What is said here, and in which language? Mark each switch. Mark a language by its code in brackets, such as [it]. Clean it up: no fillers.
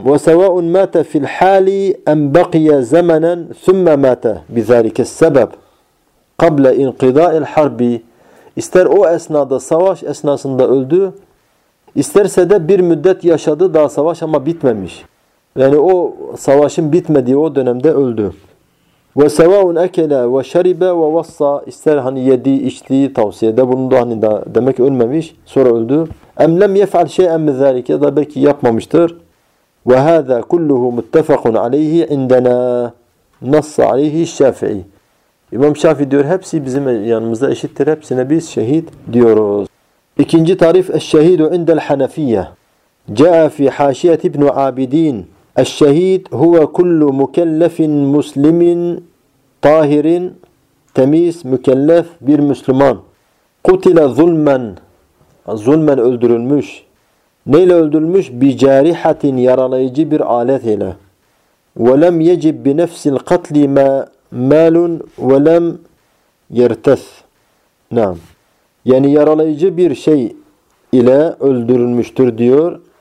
[ar] وَسَوَاءٌ مَاتَ فِي الْحَالِ اَمْ بَقِيَ زَمَنًا ثُمَّ مَاتَ بِذَٰلِكَ السَّبَبْ قَبْلَ اِنْقِضَاءِ الْحَرْبِ [tr] ister o esnada, savaş esnasında öldü, isterse de bir müddet yaşadı, daha savaş ama bitmemiş. Yani o savaşın bitmediği o dönemde öldü. [ar] وَسَوَاءٌ اَكَلَ وَشَرِبَ وَوَصَّى [tr] ister hani yedi, içti, tavsiyede bulundu hani da demek ölmemiş, sonra öldü. [ar] اَمْ لَمْ يَفْعَلْ شَيْءًا مِذَٰلِكَ [tr] da belki yapmamıştır. [ar] وَهَذَا كُلُّهُ مُتَّفَقٌ عَلَيْهِ عِنْدَنَا نَصَّ عَلَيْهِ الشَّافِعِ [tr] İmam Şafii diyor hepsi bizim yanımızda eşittir, hepsine biz şehit diyoruz. İkinci tarif, [ar] اَشْشَهِيدُ عِنْدَ الْحَنَفِيَّةِ جَاءَ فِي حَاشِيَةِ ابْنُ عَابِدِينَ الشهيد هو كل مكلف مسلم طاهر تميس مكلف [tr] bir Müslüman [ar] قتل ظلمًا ظلمًا [tr] öldürülmüş neyle öldürülmüş [ar] بجارحة [tr] yaralayıcı bir alet ile [ar] ولم يجب بنفس القتل ما مال ولم يرتث نعم [tr] yani yaralayıcı bir şey ile öldürülmüştür diyor.